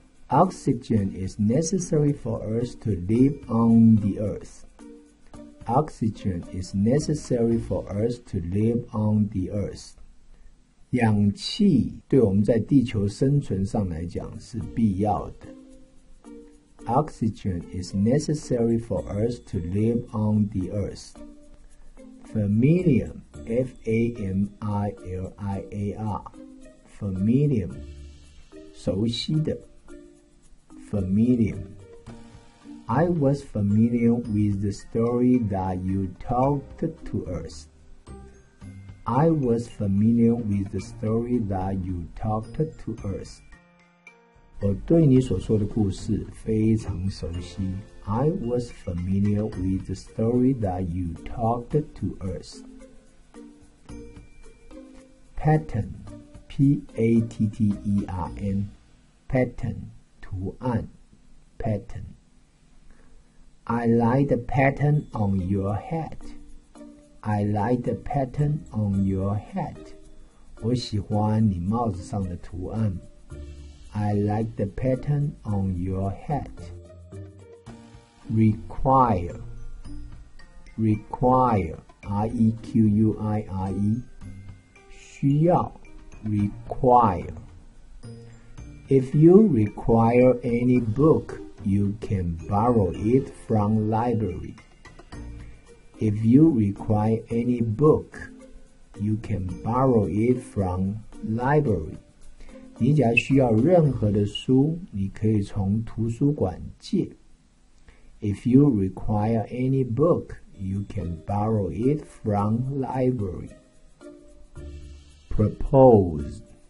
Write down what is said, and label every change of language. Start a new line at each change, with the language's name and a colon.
English: Oxygen is necessary for us to live on the earth. Oxygen is necessary for us to live on the earth.
Chinese: 氧气对我们在地球生存上来讲是必要的。
English: Oxygen is necessary for us to live on the earth. Familiar, F-A-M-I-L-I-A-R. Familiar, 熟悉的。Familiar. I was familiar with the story that you talked to us. I was familiar with the story that you talked to us.
Chinese: 我对你所说的故事非常熟悉。
English: I was familiar with the story that you talked to us. Pattern, P-A-T-T-E-R-N, pattern, 图案。Pattern. I like the pattern on your hat. I like the pattern on your hat.
Chinese: 我喜欢你帽子上的图案。
English: I like the pattern on your hat. Require, R-E-Q-U-I-R-E.
Chinese: 需要 require.
English: If you require any book,You can borrow it from library. If you require any book, you can borrow it from library.
Chinese: 你只要需要任何的书，你可以从图书馆借。
English: If you require any book, you can borrow it from library. Propose.